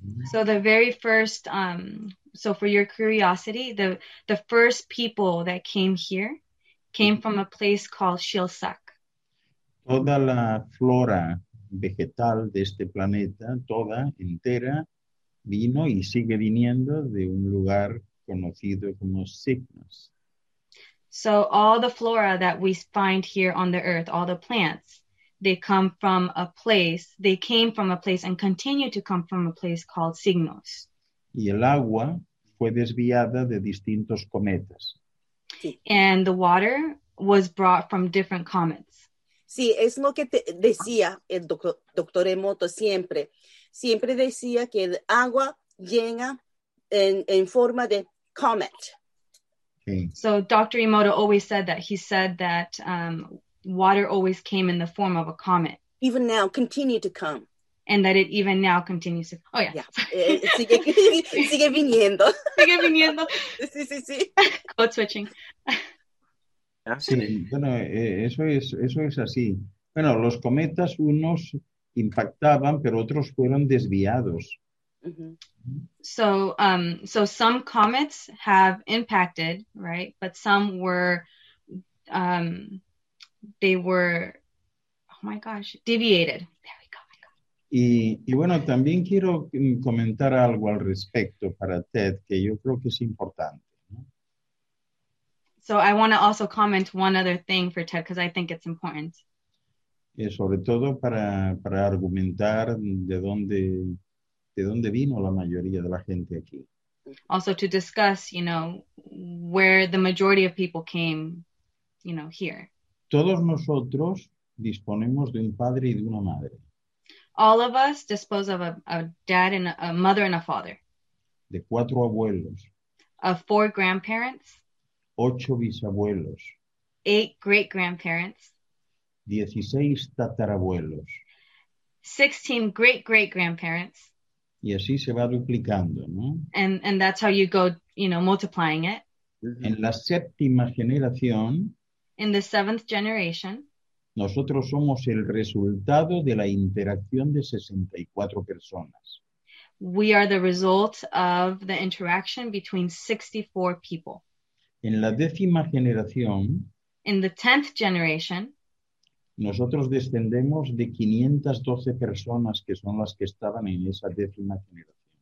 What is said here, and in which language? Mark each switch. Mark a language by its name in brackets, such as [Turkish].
[English] So the very first, so for your curiosity, the first people that came here came from a place called Shilzak. [Spanish] Toda la flora vegetal de este planeta, toda, entera, vino y sigue viniendo de un lugar conocido como Cygnus. [English] So all the flora that we find here on the Earth, all the plants, they come from a place, they came from a place and continue to come from a place called Cygnus. [Spanish] Y el agua fue desviada de distintos cometas. [English] And the water was brought from different comets. [Spanish] Sí, es lo que te decía el doctor Emoto siempre. Siempre decía que el agua llega en forma de comet. [English] So Dr. Emoto always said that. He said that water always came in the form of a comet. Even now, continue to come. And that it even now continues to... Oh, yeah. [Spanish] Yeah. Sigue viniendo. Sigue viniendo. Sí, sí, sí. [English] Code switching. [Spanish] Sí, bueno, eso es así. Bueno, los cometas, unos impactaban, pero otros fueron desviados. [English] Mm-hmm. So, so some comets have impacted, right? But some were, they were, oh my gosh, deviated. [Spanish] Y, y bueno, también quiero comentar algo al respecto para Ted, que yo creo que es importante, ¿no? [English] So I want to also comment one other thing for Ted, because I think it's important. [Spanish] Sobre todo para argumentar de dónde vino la mayoría de la gente aquí. [English] Also to discuss, you know, where the majority of people came, you know, here. [Spanish] Todos nosotros disponemos de un padre y de una madre. [English] All of us dispose of a dad and a mother and a father. [Spanish] De cuatro abuelos. [English] Of four grandparents. [Spanish] Ocho bisabuelos. [English] Eight great grandparents. [Spanish] 16 tatarabuelos. [English] 16 great great grandparents. [Spanish] Y así se va duplicando, ¿no? [English] And that's how you go, you know, multiplying it. [Spanish] En la séptima generación. [English] In the seventh generation. [Spanish] Nosotros somos el resultado de la interacción de 64 personas. [English] We are the result of the interaction between 64 people. [Spanish] En la décima generación. [English] In the tenth generation. [Spanish] Nosotros descendemos de 512 personas que son las que estaban en esa décima generación.